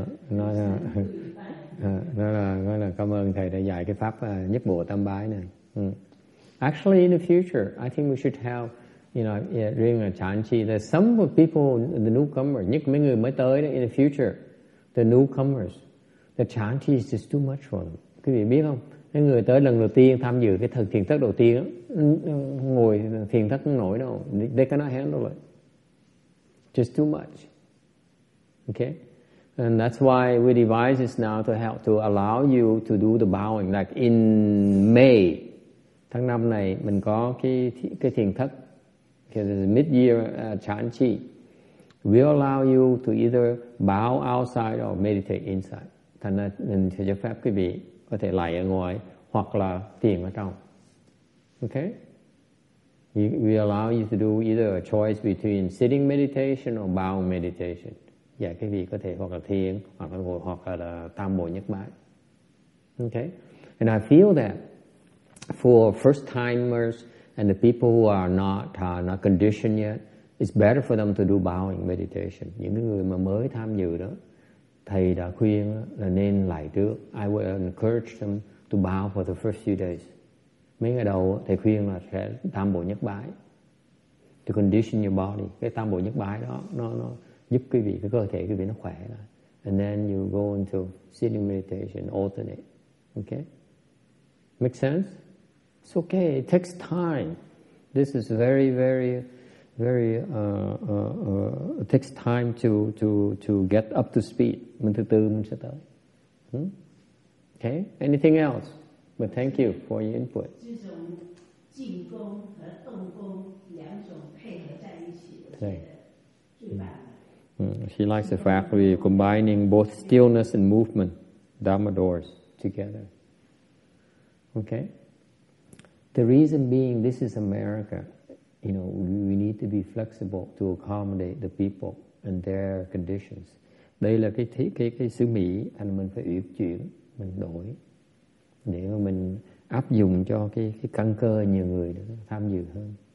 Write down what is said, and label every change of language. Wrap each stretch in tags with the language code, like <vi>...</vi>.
<vi>Na cảm ơn thầy đã dạy cái pháp nhất bộ tam bái này.</vi> <en>Actually, in the future, I think we should have. You know, yeah, during a chan chi, there's some of people, the newcomers,</en> <vi>nhất mấy người mới tới</vi> <en>in the future, the newcomers, the chan chi is just too much for them.</en> <vi>Quý vị biết không? Cái người tới lần đầu tiên tham dự cái thần thiền thất đầu tiên, ngồi thiền thất không nổi đâu.</vi> <en>They cannot handle it. Just too much. Okay? And that's why we devise this now to help, to allow you to do the bowing. Like in May,</en> <vi>tháng năm này,</vi> <en>mình có cái thiền thất. Because it's mid-year chan chi, we allow you to either bow outside or meditate inside.</en> <vi>Thành ra mình sẽ cho phép quý vị có thể lạy ở ngoài hoặc là thiền ở trong. Okay?</vi> <en>We allow you to do either a choice between sitting meditation or bow meditation.</en> <vi>Yeah, quý vị có thể hoặc là thiền hoặc là ngồi hoặc là tam bộ nhất bát.</vi> <en>Okay? And I feel that for first timers. And the people who are not conditioned yet, it's better for them to do bowing meditation.</en> <vi>Những người mà mới tham dự đó, thầy đã khuyên là nên lại trước.</vi> <en>I would encourage them to bow for the first few days.</en> <vi>Mấy ngày đầu thầy khuyên là sẽ tam bộ nhất bái.</vi> <en>To condition your body.</en> <vi>Cái tam bộ nhất bái đó, nó giúp quý vị, cái cơ thể quý vị nó khỏe.</vi> <en>And then you go into sitting meditation, alternate. Okay? Make sense? It's okay. It takes time. This is very, very, very. It takes time to get up to speed.</en> <vi>Mình từ từ mình sẽ tới. Okay.</vi> <en>Anything else? But thank you for your input.</en> <zh>这种静功和动功两种配合在一起，我觉得最棒。</zh> <en>She likes the fact we combining both stillness and movement, Dharma doors together. Okay. The reason being, this is America. You know, we need to be flexible to accommodate the people and their conditions.</en> <vi>Đây là cái xứ Mỹ, anh mình phải uyển chuyển, mình đổi để mà mình áp dụng cho cái căn cơ nhiều người được tham dự hơn.</vi>